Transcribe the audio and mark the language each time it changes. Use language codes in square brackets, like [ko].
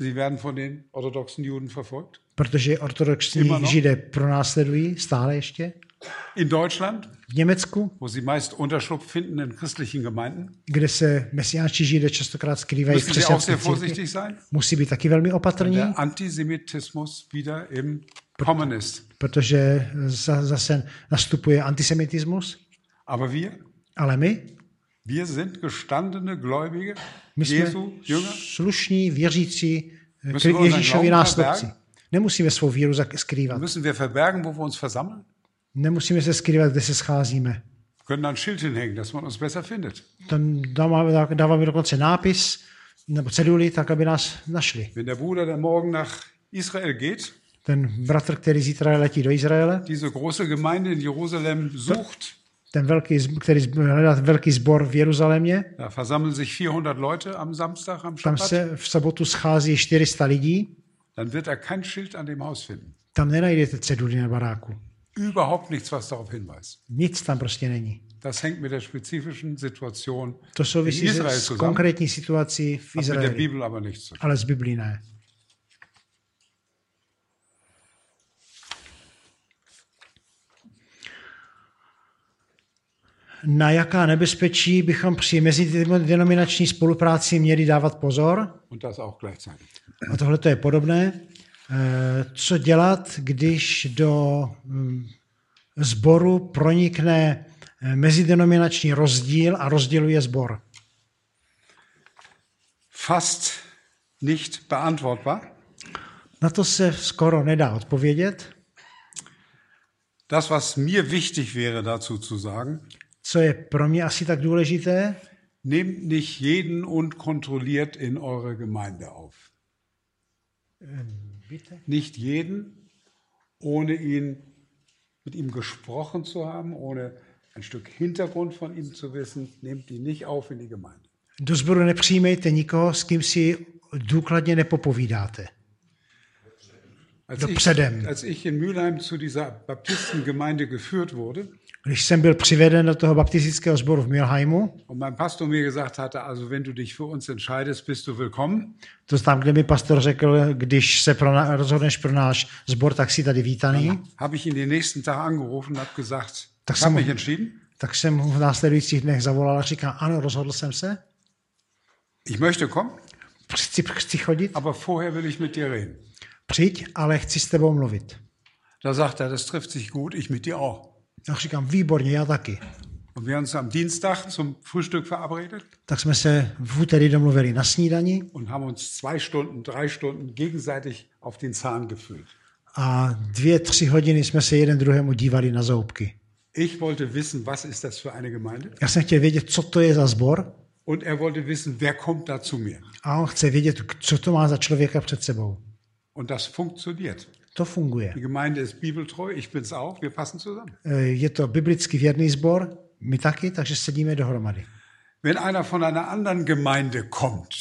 [de] Sie werden von den orthodoxen Juden verfolgt? [cs] Protože ortodoxní Židé pronásledují stále ještě. [de] In Deutschland? [cs] V Německu? [de] Wo sie meist Unterschlupf finden in christlichen Gemeinden? [cs] Kde se mesiánští Židé častokrát skrývají v křesťanských církvích? Musí být taky velmi opatrní. Musí být taky velmi opatrní. [de] Der Antisemitismus wieder im Kommen ist. [cs] Protože zase nastupuje antisemitismus. [de] Aber wir? [cs] Ale my? [de] Wir sind gestandene Gläubige. [cs] My jsme Jesu, slušní věřící Ježíšovi nástupci. Nemusíme svou víru skrývat. [de] Müssen wir verbergen, wo wir uns versammeln? [cs] Nemusíme se skrývat, kde se scházíme. [de] Können ein Schild hinhängen, dass man uns besser findet. [cs] Dann dáváme dokonce nápis nebo ceduli, tak aby nás našli. [de] Wenn der Bruder, der morgen nach Israel geht, [cs] ten bratr, který zítra letí do Izraele, [de] diese große Gemeinde in Jerusalem sucht, [cs] ten velký, který hledá velký sbor v Jeruzalémě, [de] da versammeln sich 400 Leute am Samstag, am [cs] Shabbat, tam se v sobotu schází 400 lidí, [de] dann wird er kein Schild an dem Haus finden. [cs] Tam nenajdete ceduli na baráku. [de] Überhaupt nichts, was darauf hinweist. [cs] Nic tam prostě není. [de] Das hängt mit der spezifischen Situation [cs] to souvisí s konkrétní situací v Izraeli. [de] Mit der Bibel aber nichts. [cs] Ale z Biblii ne. Na jaká nebezpečí bychom při mezidenominační spolupráci měli dávat pozor? [de] Und das auch gleichzeitig. [cs] A tohle to je podobné. Co dělat, když do sboru pronikne mezidenominační rozdíl a rozděluje sbor? [de] Fast nicht beantwortbar. [cs] Na to se skoro nedá odpovědět. [de] Das, was mir wichtig wäre, dazu zu sagen. [cs] Co je pro mě asi tak důležité? [de] Nehmt nicht jeden und kontrolliert in eure Gemeinde auf. Bitte? Nicht jeden, ohne ihn mit ihm gesprochen zu haben, ohne ein Stück Hintergrund von ihm zu wissen, nehmt ihn nicht auf in die Gemeinde. [cs] Do sboru nepřijmejte nikoho, s kým si důkladně nepopovídáte. Dopředem. [de] Als ich in Mülheim zu dieser Baptistengemeinde geführt wurde, [cs] když jsem byl přiveden do toho baptistického sboru v Mülheimu, [de] und mein Pastor mir gesagt hatte, also wenn du dich für uns entscheidest, bist du willkommen. [cs] To tam, kde mi pastor řekl, když se rozhodneš pro náš sbor, tak jsi tady vítaný. [de] Habe ich ihn den nächsten Tag angerufen und habe gesagt, tak jsem mich entschieden. [cs] Tak jsem v následujících dnech zavolal a říkal, ano, rozhodl jsem se. [de] Ich möchte kommen. [cs] Chci chodit. [de] Aber vorher will ich mit dir reden. [cs] Přijď, ale chci s tebou mluvit. [de] Da sagt er, das trifft sich gut, ich mit dir auch. [cs] Já říkám, výborně, já taky. [de] Und wir haben uns am Dienstag zum Frühstück verabredet. [cs] Tak jsme se v úterý domluvili na snídani. [de] Und haben uns zwei Stunden, drei Stunden gegenseitig auf den Zahn gefühlt. [cs] A dvě, tři hodiny jsme se jeden druhému dívali na zoubky. [de] Ich wollte wissen, was ist das für eine Gemeinde? [cs] Já jsem chtěl vědět, co to je za sbor. [de] Und er wollte wissen, wer kommt da zu mir. [cs] A on chce vědět, co to má za člověka před sebou. [de] Und das funktioniert. [cs] To funguje. [de] Die Gemeinde ist bibeltreu, ich bin's auch, wir passen zusammen. [cs] Je to biblicky věrný sbor, my taky, takže sedíme dohromady. [de] Wenn einer von einer anderen Gemeinde kommt.